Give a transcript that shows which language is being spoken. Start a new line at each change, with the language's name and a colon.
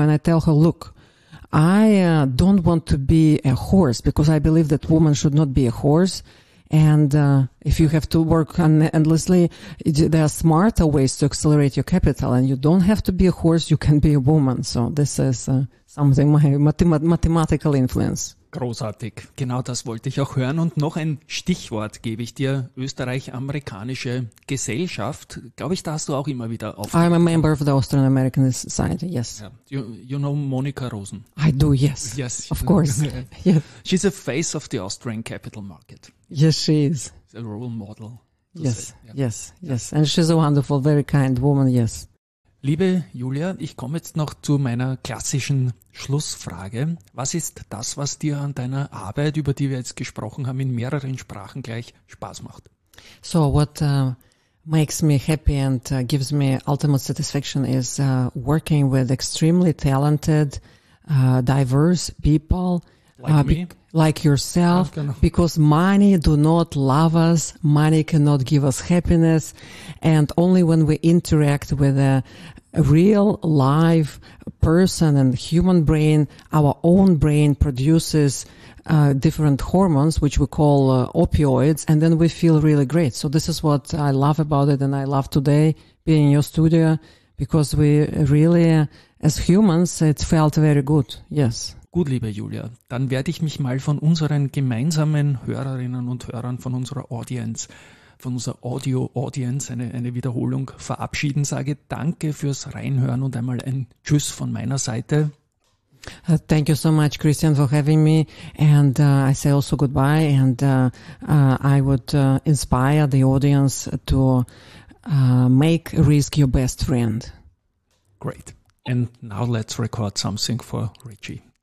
English: And I tell her, "Look, I don't want to be a horse, because I believe that woman should not be a horse. And if you have to work endlessly, there are smarter ways to accelerate your capital. And you don't have to be a horse, you can be a woman." So this is something my mathematical influence.
German: Großartig. Genau das wollte ich auch hören. Und noch ein Stichwort gebe ich dir. Österreich-amerikanische Gesellschaft. Glaube ich, da hast du auch immer wieder aufgehört.
English: I'm a member of the Austrian American Society, yes. Yeah. You know Monika Rosen? I do, yes. Yes. Of course. Yeah. She's a face of the Austrian capital market. Yes, she is. She's a role model. Yes, yeah. Yes, yes. And she's a wonderful, very kind woman, yes.
German: Liebe Julia, ich komme jetzt noch zu meiner klassischen Schlussfrage. Was ist das, was dir an deiner Arbeit, über die wir jetzt gesprochen haben, in mehreren Sprachen gleich Spaß macht?
English: So, what makes me happy and gives me ultimate satisfaction is working with extremely talented, diverse people. Like me? Like yourself, because money do not love us, money cannot give us happiness, and only when we interact with a real live person and human brain, our own brain produces different hormones, which we call opioids, and then we feel really great. So this is what I love about it, and I love today being in your studio, because we really, as humans, it felt very good, yes.
German: Gut, liebe Julia, dann werde ich mich mal von unseren gemeinsamen Hörerinnen und Hörern, von unserer Audience, von unserer Audio-Audience eine Wiederholung verabschieden. Sage danke fürs Reinhören und einmal ein Tschüss von meiner Seite.
English: Thank you so much, Christian, for having me. And I say also goodbye. And I would inspire the audience to make risk your best friend. Great. And now let's record something for Richie.